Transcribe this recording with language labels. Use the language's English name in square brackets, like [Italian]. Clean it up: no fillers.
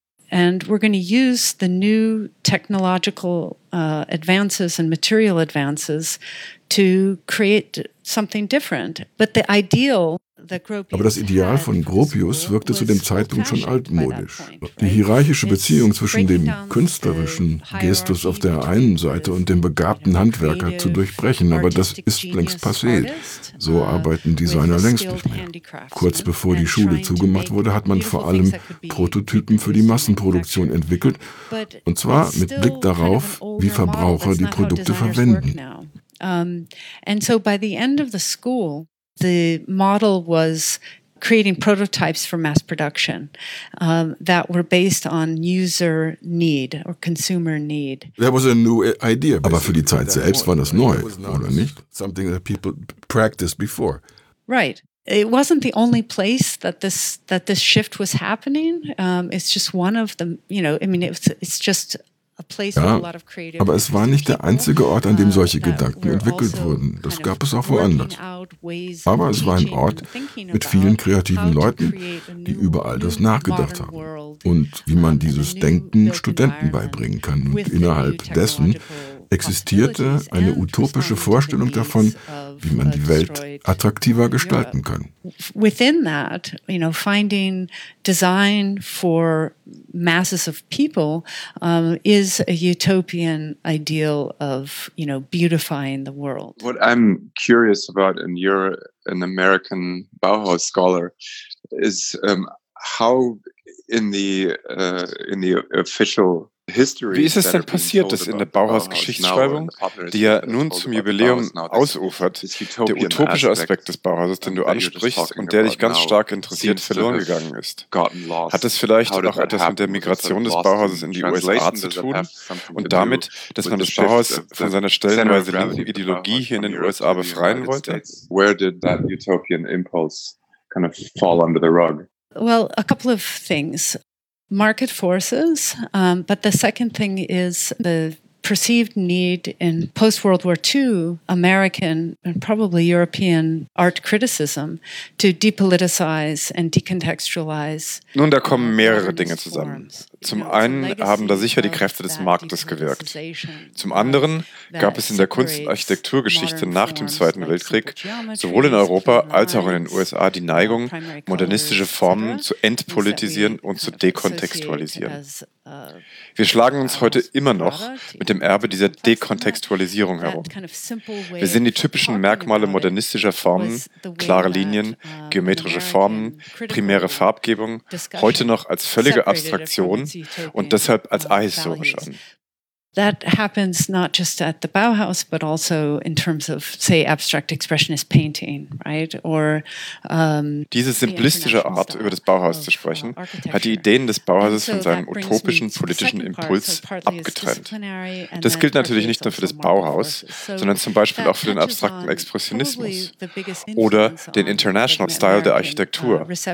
[English] And we're going to use the new technological advances and material advances to create something different. But the ideal that Gropius. [German] Aber das Ideal von Gropius wirkte zu dem Zeitpunkt schon altmodisch. Die hierarchische Beziehung zwischen dem künstlerischen Gestus auf der einen Seite und dem begabten Handwerker zu durchbrechen, aber das ist längst passé. So arbeiten Designer längst nicht mehr. Kurz bevor die Schule zugemacht wurde, hat man vor allem Prototypen für die Massenproduktion entwickelt, und zwar mit Blick darauf, wie Verbraucher die Produkte verwenden. [English] And so by the end of the school, the model was creating prototypes for mass production that were based on user need or consumer need. That was a new idea. [German] Aber für die Zeit selbst war das neu, oder nicht? [English] Something that people practiced before. Right. It wasn't the only place that this shift was happening. It's just one of the, you know, I mean, it's just a place [German] ja, [English] with a lot of creative. [German] Aber es war nicht der einzige Ort, an dem solche Gedanken entwickelt wurden. Das gab es auch woanders. Aber es war ein Ort mit vielen kreativen Leuten, die überall das nachgedacht haben. Und wie man dieses Denken Studenten beibringen kann. Und innerhalb dessen existierte eine utopische Vorstellung davon, wie man die Welt attraktiver gestalten kann. [English] Within that, you know, finding design for masses of people is a utopian ideal of, you know, beautifying the world. What I'm curious about, and you're an American Bauhaus scholar, is how in the official. [German] Wie ist es denn passiert, dass in der Bauhaus-Geschichtsschreibung, die ja nun zum Jubiläum ausufert, der utopische Aspekt des Bauhauses, den du ansprichst und der dich ganz stark interessiert, verloren gegangen ist? Hat es vielleicht auch etwas mit der Migration des Bauhauses in die USA zu tun und damit, dass man das Bauhaus von seiner stellenweise linken Ideologie hier in den USA befreien wollte? [English] Where did that utopian impulse kind of fall under the rug? Well, a couple of things. Market forces, but the second thing is the perceived need in post-World War II American and probably European art criticism to depoliticize and decontextualize. [German] Nun, da kommen mehrere Dinge zusammen. Zum einen haben da sicher die Kräfte des Marktes gewirkt. Zum anderen gab es in der Kunst- und Architekturgeschichte nach dem Zweiten Weltkrieg sowohl in Europa als auch in den USA die Neigung, modernistische Formen zu entpolitisieren und zu dekontextualisieren. Wir schlagen uns heute immer noch mit dem Erbe dieser Dekontextualisierung herum. Wir sehen die typischen Merkmale modernistischer Formen, klare Linien, geometrische Formen, primäre Farbgebung, heute noch als völlige Abstraktion und deshalb als ahistorisch an. [English] That happens not just at the Bauhaus, but also in terms of, say, abstract expressionist painting, right? Or [German] diese simplistische Art, über das Bauhaus zu sprechen, hat die Ideen des Bauhauses von seinem utopischen politischen Impuls abgetrennt. Das gilt natürlich nicht nur für das Bauhaus, sondern zum Beispiel auch für den abstrakten Expressionismus oder den international style der Architektur.